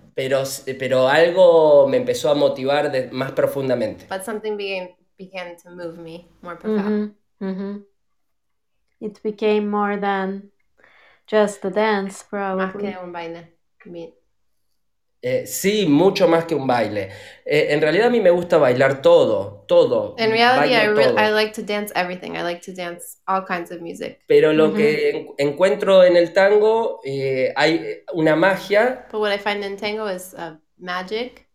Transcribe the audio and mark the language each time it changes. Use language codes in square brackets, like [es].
[es] Pero algo me empezó a motivar más profundamente. [en] But something began to move me more profoundly. Mm-hmm. It became more than just the dance, probably. [es] Más que un baile. Sí, mucho más que un baile. En realidad a mí me gusta bailar todo. [en] In reality, I like to dance everything. I like to dance all kinds of music. [es] Pero lo que encuentro en el tango, hay una magia. [en] But what I find in tango is magic.